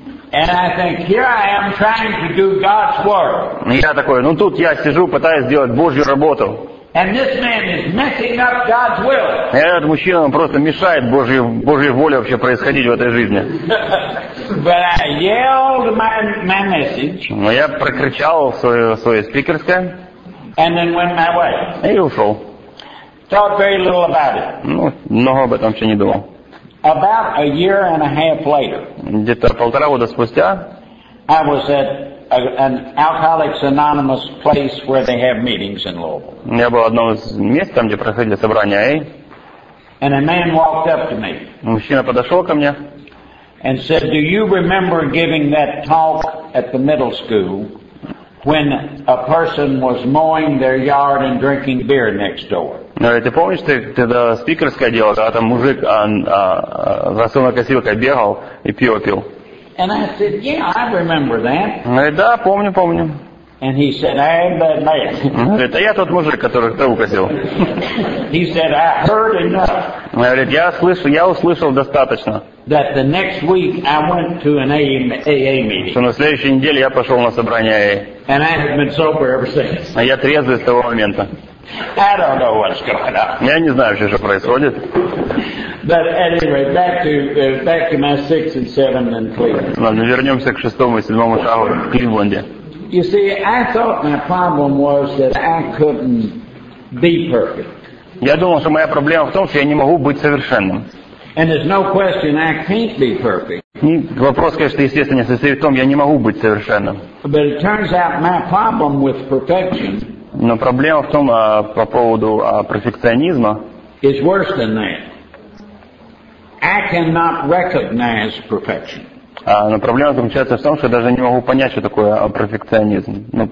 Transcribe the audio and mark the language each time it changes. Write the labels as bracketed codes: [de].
[en] And I think here I am trying to do God's work. [ru] Я такой, ну тут я сижу, пытаюсь сделать Божью работу. [en] And this man is messing up God's will. [ru] И этот мужчина просто мешает Божьей воле вообще происходить в этой жизни. [en] But I yelled my message. [ru] Но я прокричал свое спикерское. [en] And then went my way. [ru] И ушел. [en] Thought very little about it. [ru] Ну, много об этом вообще не думал. [en] About a year and a half later. [ru] Где-то полтора года спустя. [en] I was at an Alcoholics Anonymous place where they have meetings in Louisville. [ru] Я был в одном из мест, там где проходили собрания AA. [en] And a man walked up to me. [ru] Мужчина подошел ко мне. [en] And said, "Do you remember giving that talk at the middle school when a person was mowing their yard and drinking beer next door?" [ru] Говорит, ты помнишь, ты тогда спикерское дело, когда там мужик за сонной косилкой бегал и пиво пил? [en] And I said, yeah, I remember that. [ru] Говорит, да, помню. [en] And he said, I'm that man. [ru] Говорит, а я тот мужик, который трубу косил. [en] He said, I heard enough. [ru] Он говорит, я услышал достаточно. [en] That the next week I went to an AA meeting. [ru] Что на следующей неделе я пошел на собрание AA. [en] And I have been sober ever since. [ru] А я трезвый с того момента. [en] I don't know what's going on. [ru] Я не знаю, что происходит. [en] But anyway, back to my 6 and 7 in Cleveland. [ru] Ладно, вернемся к шестому и седьмому шагу в Кливленде. [en] You see, I thought my problem was that I couldn't be perfect. [ru] Я думал, что моя проблема в том, что я не могу быть совершенным. [en] And there's no question I can't be perfect. [ru] Вопрос, конечно, естественно, состоит в том, я не могу быть совершенным. [en] But it turns out my problem with perfection. [ru] Но проблема в том, по поводу перфекционизма. [en] Is worse than that. I cannot recognize perfection. [ru] Но проблема заключается в том, что я даже не могу понять, что такое перфекционизм.